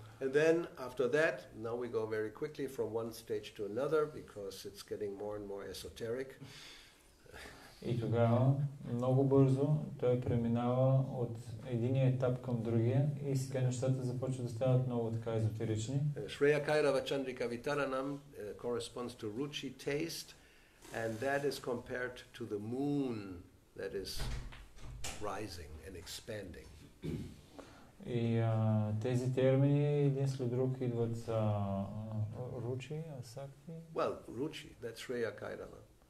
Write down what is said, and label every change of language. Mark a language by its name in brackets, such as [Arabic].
[English] And then after that, now we go very quickly from one stage to another because it's getting more and more esoteric. [Bulgarian] И тогава много бързо той преминава от единия етап към другия и сега нещата започват да стават много така езотерични. [English] Shreya Kairava Chandrika Vitaranam corresponds to ruchi taste, and that is compared to the moon that is rising and expanding. [Bulgarian] И тези термини един след друг идват за ruchi, asakti. [English] Well, ruchi, that's Shreya Kairava.